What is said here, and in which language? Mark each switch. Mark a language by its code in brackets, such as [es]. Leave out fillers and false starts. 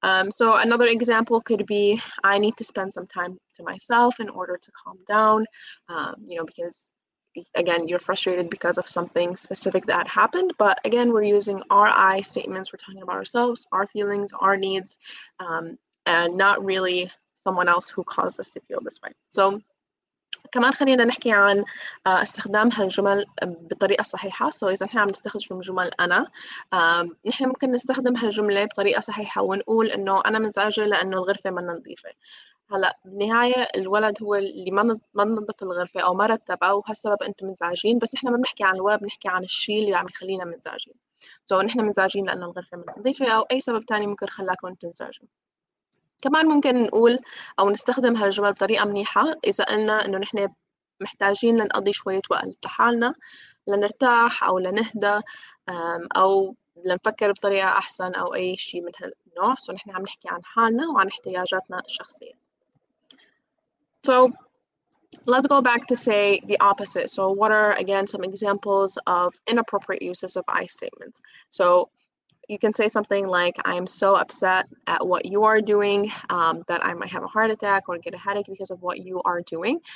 [en] So another example could be, I need to spend some time to myself in order to calm down, you know, because again, you're frustrated because of something specific that happened. But again, we're using our I statements. We're talking about ourselves, our feelings, our needs, and not really someone else who caused us to feel this way. [ar] So, كمان خلينا نحكي عن استخدام هالجمل بطريقة صحيحة. So, إذا نحن عم نستخدم جمل أنا، نحن ممكن نستخدم هالجملة بطريقة صحيحة ونقول إنه أنا منزعجة لأنه الغرفة ما نظيفة. هلا بالنهاية الولد هو اللي ما نظف الغرفة أو ما رتبها وهالسبب أنتم منزعجين، بس نحن ما بنحكي عن الولد، بنحكي عن الشيء اللي عم يخلينا منزعجين. So, نحن منزعجين لأنه الغرفة ما نظيفة أو أي سبب تاني ممكن خلاكم تنزعجوا. كمان ممكن نقول أو نستخدم هالجمل بطريقة منيحة إذا قلنا إنه نحن محتاجين لنقضي شوية وقت لحالنا لنرتاح أو لنهدى أو لنفكر بطريقة أحسن أو أي شيء من هالنوع. سو نحن عم نحكي عن حالنا وعن احتياجاتنا الشخصية. [en] So let's go back to say the opposite. So what are again some examples of inappropriate uses of I statements? So You can say something like, I am so upset at what you are doing that I might have a heart attack or get a headache because of what you are doing.